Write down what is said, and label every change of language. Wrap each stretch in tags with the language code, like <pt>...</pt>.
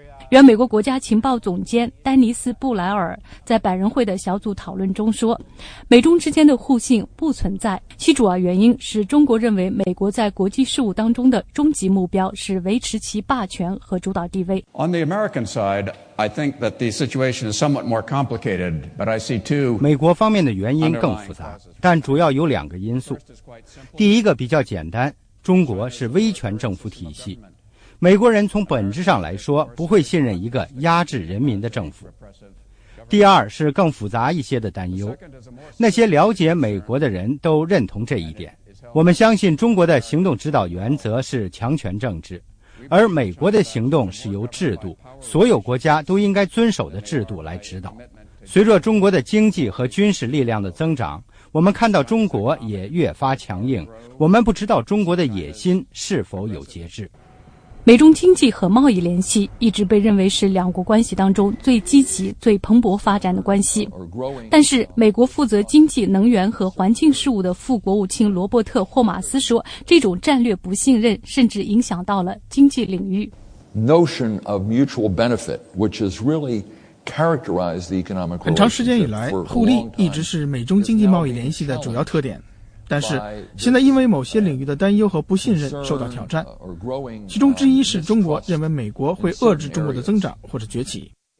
<zh>原美国国家情报总监丹尼斯·布莱尔在百人会的小组讨论中说，美中之间的互信不存在，其主要原因是中国认为美国在国际事务当中的终极目标是维持其霸权和主导地位。</zh> <en>On the American side, I think that the situation is somewhat more complicated, but I see two.</en> <zh>美国方面的原因更复杂，但主要有两个因素。第一个比较简单，中国是威权政府体系，美国人从本质上来说不会信任一个压制人民的政府。第二是更复杂一些的担忧，那些了解美国的人都认同这一点。我们相信中国的行动指导原则是强权政治，而美国的行动是由制度，所有国家都应该遵守的制度来指导。随着中国的经济和军事力量的增长，我们看到中国也越发强硬，我们不知道中国的野心是否有节制。美中经济和贸易联系一直被认为是两国关系当中最积极、最蓬勃发展的关系。但是，美国负责经济、能源和环境事务的副国务卿罗伯特·霍马斯说，这种战略不信任甚至影响到了经济领域。</zh> <en>Notion of mutual benefit, which is really characterized the economic relationship.</en> <zh>很长时间以来，互利一直是美中经济贸易联系的主要特点。但是现在因为某些领域的担忧和不信任受到挑战，其中之一是中国认为美国会遏制中国的增长或者崛起。</zh>